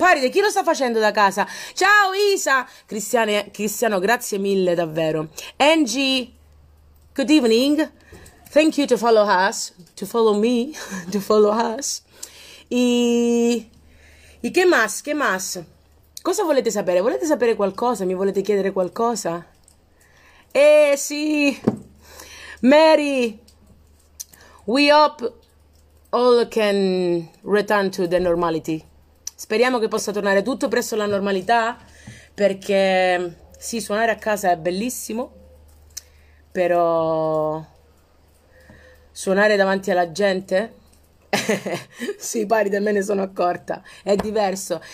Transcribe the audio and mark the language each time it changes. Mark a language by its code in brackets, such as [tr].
[it] Chi lo sta facendo da casa? Ciao Isa! Cristiano, grazie mille davvero. [en] Angie, good evening. Thank you to follow us, to follow me, to follow us. [it] E che mas, che mas? Cosa volete sapere? Volete sapere qualcosa? Mi volete chiedere qualcosa? Eh sì! [en] Mary, we hope all can return to the normality. [it] Speriamo che possa tornare tutto presso la normalità, perché sì, suonare a casa è bellissimo, però suonare davanti alla gente, sì, pari da me ne sono accorta, è diverso.